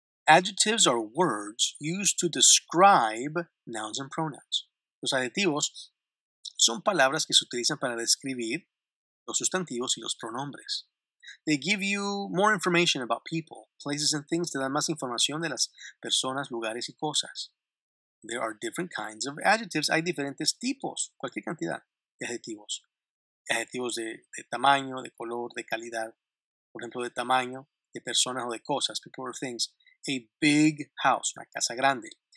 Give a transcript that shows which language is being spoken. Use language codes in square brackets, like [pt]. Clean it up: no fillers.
[en] Adjectives are words used to describe nouns and pronouns. [es] Los adjetivos son palabras que se utilizan para describir los sustantivos y los pronombres. [en] They give you more information about people, places and things. [es] Te dan más información de las personas, lugares y cosas. [en] There are different kinds of adjectives. [es] Hay diferentes tipos, cualquier cantidad de adjetivos. Adjetivos de tamaño, de color, de calidad. Por ejemplo, de tamaño, de personas o de cosas. [en] People or things. A big house, [es] una casa grande.